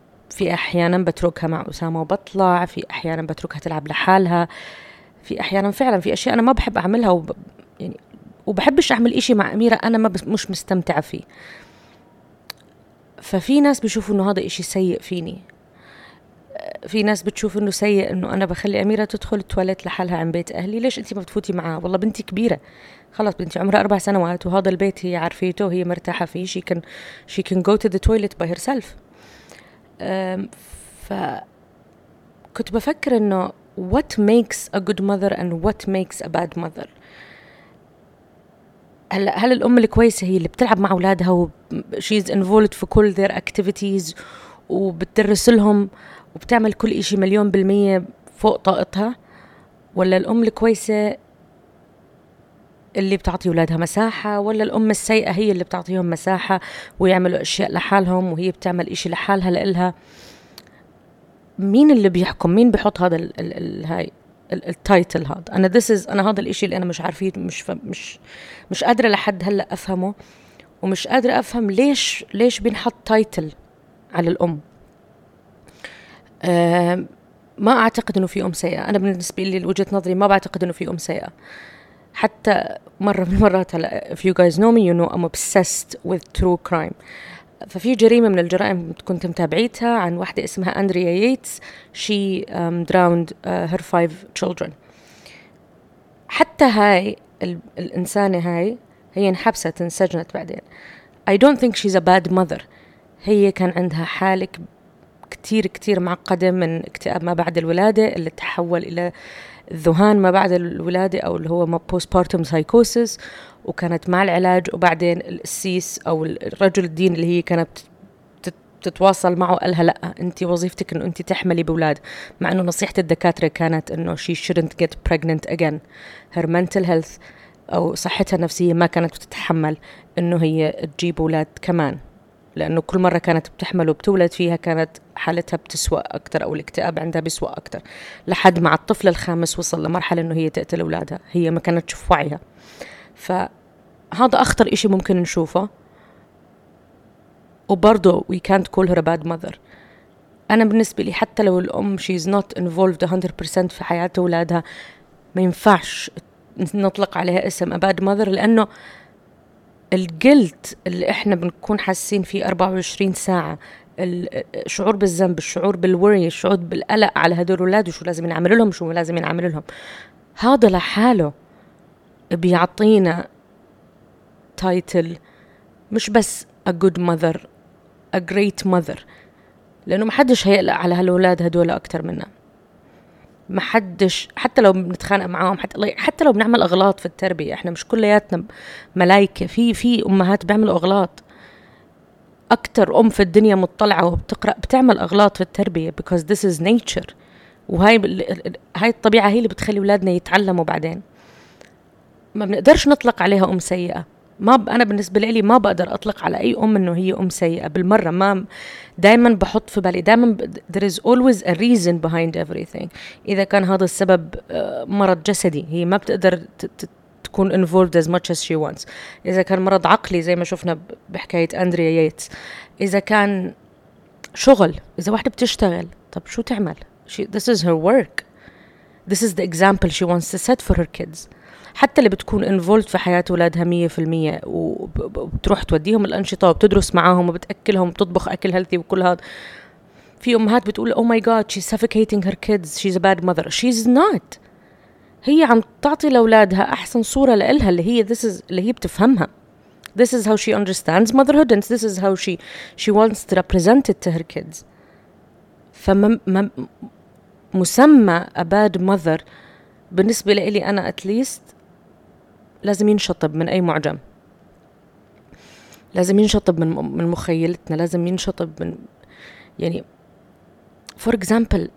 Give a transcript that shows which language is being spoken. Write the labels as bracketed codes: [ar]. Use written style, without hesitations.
[ar] في أحيانا بتركها مع أسامة وبطلع, في أحيانا بتركها تلعب لحالها, في احيانا فعلا في اشياء انا ما بحب اعملها يعني وبحبش اعمل إشي مع اميره انا ما مش مستمتعه فيه. ففي ناس بيشوفوا انه هذا إشي سيء فيني, في ناس بتشوف انه سيء انه انا بخلي اميره تدخل التواليت لحالها عن بيت اهلي. ليش انت ما بتفوتي معها؟ والله بنتي كبيره خلاص, بنتي عمرها 4 سنوات وهذا البيت هي عارفيته وهي مرتاحه فيه. [en] she can go to the toilet by herself. [ar] ف كنت بفكر انه [en] What makes a good mother and what makes a bad mother? [ar] هل الأم الكويسة هي اللي بتلعب مع أولادها و [en] she's involved [ar] في كل [en] their activities [ar] وبتدرس لهم وبتعمل كل إشي 1,000,000% فوق طاقتها, ولا الأم الكويسة اللي بتعطي أولادها مساحة, ولا الأم السيئة هي اللي بتعطيهم مساحة ويعملوا أشياء لحالهم وهي بتعمل إشي لحالها لإلها؟ مين اللي بيحكم؟ مين بيحط هذا التايتل هذا؟ أنا [en] this is [ar] أنا هذا الإشي اللي أنا مش عارفيه, مش قادرة لحد هلأ أفهمه, ومش قادرة أفهم ليش بنحط تايتل على الأم. ما أعتقد إنه في أم سيئة. أنا بالنسبة لي وجهة نظري ما بعتقد إنه في أم سيئة. حتى مرة من المرات هلأ [en] if you guys know me you know I'm obsessed with true crime. [ar] ففي جريمة من الجرائم كنت متابعيتها عن واحدة اسمها أندريا ييتس, [en] she drowned her 5 children. [ar] حتى هاي الإنسانة هي انحبست انسجنت بعدين. [en] I don't think she's a bad mother. [ar] هي كان عندها حالة كتير كتير معقدة من اكتئاب ما بعد الولادة اللي تحول إلى الذهان ما بعد الولادة أو اللي هو postpartum psychosis, وكانت مع العلاج وبعدين السيس أو الرجل الدين اللي هي كانت تتواصل معه قالها لا أنت وظيفتك أنه أنت تحملي بولاد, مع أنه نصيحة الدكاترة كانت أنه [en] she shouldn't get pregnant again, her mental health [ar] أو صحتها النفسية ما كانت تتحمل أنه هي تجيب أولاد كمان, لأنه كل مرة كانت بتحمل وبتولد فيها كانت حالتها بتسوأ أكتر أو الاكتئاب عندها بيسوأ أكتر, لحد مع الطفل الخامس وصل لمرحلة أنه هي تقتل أولادها, هي ما كانت تشوف وعيها. فهذا أخطر إشي ممكن نشوفه, وبرضو [en] we can't call her a bad mother. [ar] أنا بالنسبة لي حتى لو الأم [en] she's not involved 100% [ar] في حياة أولادها ما ينفعش نطلق عليها اسم [en] a bad mother, [ar] لأنه الجلد اللي إحنا بنكون حاسين فيه 24 ساعة, الشعور بالذنب, الشعور بالوري, الشعور بالقلق على هدول أولاد وشو لازم نعمل لهم وشو لازم نعمل لهم, هذا لحاله بيعطينا تايتل مش بس [en] a good mother, a great mother, [ar] لأنه ما حدش هيقلق على هالولاد هدول أكتر منا. ما حدش حتى لو بنتخانق معاهم, حتى لو بنعمل أغلاط في التربية, إحنا مش كلياتنا ملايكة. في أمهات بيعملوا أغلاط. أكتر أم في الدنيا مطلعة وبتقرأ بتعمل أغلاط في التربية, [en] because this is nature, [ar] وهاي الطبيعة هي اللي بتخلي أولادنا يتعلموا. بعدين ما بنقدرش نطلق عليها أم سيئة. ما أنا بالنسبة لي ما بقدر أطلق على أي أم إنه هي أم سيئة بالمرة. ما دائما بحط في بالي, دائما [en] there is always a reason behind everything. [ar] إذا كان هذا السبب مرض جسدي, هي ما بتقدر تكون [en] involved as much as she wants. [ar] إذا كان مرض عقلي زي ما شفنا بحكاية أندريا ييتس, إذا كان شغل, إذا واحدة بتشتغل طب شو تعمل؟ [en] This is her work, this is the example she wants to set for her kids. [ar] حتى اللي بتكون involved في حياة أولادها 100% وبتروح توديهم الأنشطة وبتدرس معاهم وبتأكلهم وبتطبخ أكل healthy وكل هذا, في أمهات بتقول [en] oh my god she's suffocating her kids, she's a bad mother. She's not. [ar] هي عم تعطي لأولادها أحسن صورة لإلها اللي هي [en] this is, [ar] اللي هي بتفهمها. [en] This is how she understands motherhood and this is how she wants to represent it to her kids. [ar] فمسمى a bad mother بالنسبة لي أنا [en] at least [ar] لازم ينشطب من أي معجم, لازم ينشطب من مخيلتنا, لازم ينشطب من يعني [en] for example.